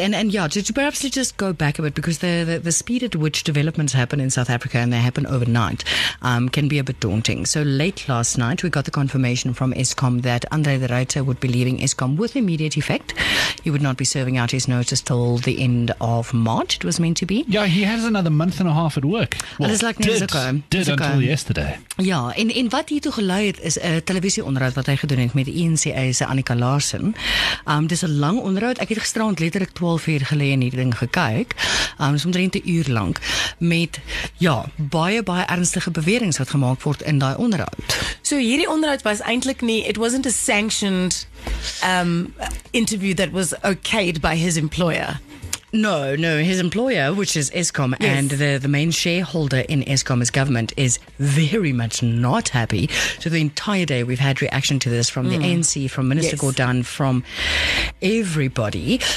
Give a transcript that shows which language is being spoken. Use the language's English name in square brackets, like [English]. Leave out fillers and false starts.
[English] And yeah, to perhaps just go back a bit, because the speed at which developments happen in South Africa, and they happen overnight, can be a bit daunting. So late last night, we got the confirmation from Eskom that Andre de Reiter would be leaving Eskom with immediate effect. He would not be serving out his notice till the end of March. It was meant to be. Yeah, he has another month and a half at work. Well, it's like did until ago. Yesterday. [Afrikaans] Ja, en wat hiertoe gelei het is 'n televisieonderhoud wat hy gedoen het met die ANC se Annika Larsen. Dis 'n lang onderhoud. Ek het gisterand letterlik 12 uur gelê en hierdie ding gekyk. Dis omtrent 'n uur lank met baie ernstige beweringe wat gemaak word in daai onderhoud. So hierdie onderhoud was eintlik nie, [English] it wasn't a sanctioned interview that was okayed by his employer. No, his employer, which is Eskom, yes, and the main shareholder in Eskom's government, is very much not happy. So the entire day we've had reaction to this from the ANC, from Minister Gordhan, from everybody.